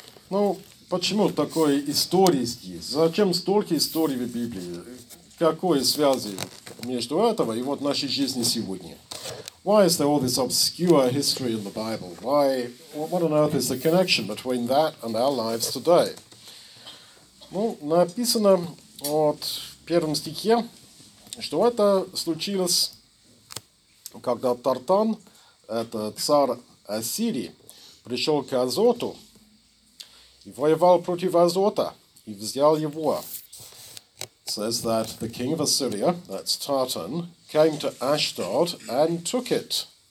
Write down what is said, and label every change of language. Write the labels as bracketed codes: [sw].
[ru] Ну, почему такой истории здесь? Зачем столько историй в Библии? Какой связи между этого и вот нашей жизни сегодня? [en] Why is there all this obscure history in the Bible? Why, what on earth is the connection between that and our lives today? [ru] Ну, написано вот в первом стихе, что это случилось, когда Тартан, это царь Ассирии, пришел к Азоту и воевал против Азота и взял его. [en] Says that the king of Assyria, that's Tartan, came to Ashdod and took it.